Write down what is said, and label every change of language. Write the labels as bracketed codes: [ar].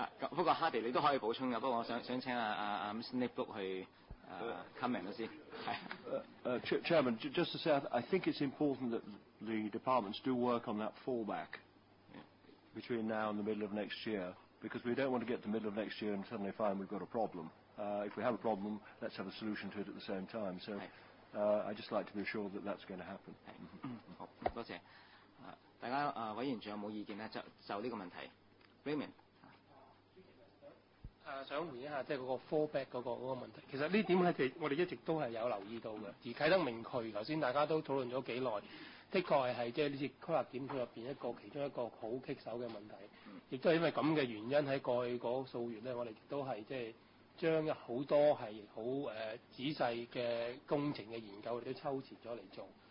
[yue] 不過哈迪你都可以補充嘅，不過我想請阿 Ms. Nipbook 去comment 先。 [en] Chairman, just to say, I think it's important that the departments do work on that fallback between now and the middle of next year, because we don't want to get to the middle of next year and suddenly find we've got a problem. If we have a problem, let's have a solution to it at the same time. So I'd just like to be sure that that's going to happen. [yue] 多謝。大家委員仲有冇意見呢？就呢個問題。Raymond。想回應一下即係嗰個 fallback 嗰個問題，其實呢點係我哋一直都係有留意到嘅。而啟德名區頭先大家都討論咗幾耐，的確係即係呢次規劃檢討入面一個其中一個好棘手嘅問題，亦都係因為咁嘅原因，喺過去嗰數月咧，我哋亦都係即係將好多係好仔細嘅工程嘅研究，我哋都抽前咗嚟做。